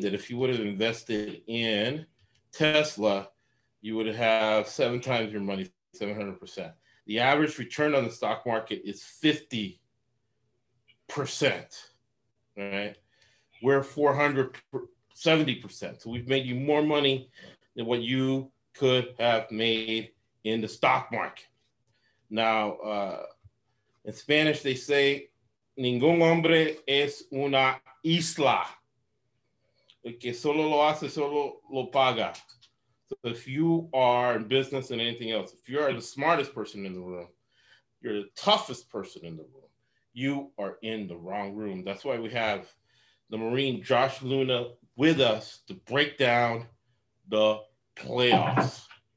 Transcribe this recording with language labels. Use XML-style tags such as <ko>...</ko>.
<en>That if you would have invested in Tesla, you would have seven times your money, 700%. The average return on the stock market is 50%, right? We're 470%. So we've made you more money than what you could have made in the stock market. Now, in Spanish, they say,</en> <es>ningún hombre es una isla. El que solo lo hace, solo lo paga.</es> <en>So if you are in business and anything else, if you are the smartest person in the room, you're the toughest person in the room, you are in the wrong room. That's why we have the Marine Josh Luna with us to break down the playoffs.</en>